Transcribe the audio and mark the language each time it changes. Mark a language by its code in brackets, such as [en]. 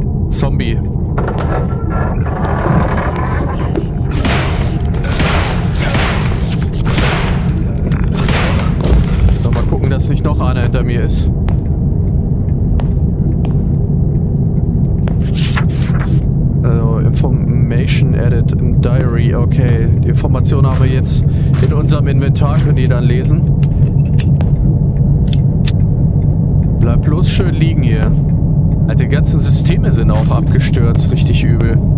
[de] Zombie. So, mal gucken, dass nicht noch einer hinter mir ist. [en] Also, Information added in Diary. [de] Okay, die Information haben wir jetzt in unserem Inventar, könnt ihr dann lesen. Bleib bloß schön liegen hier. Alter, die ganzen Systeme sind auch abgestürzt, richtig übel.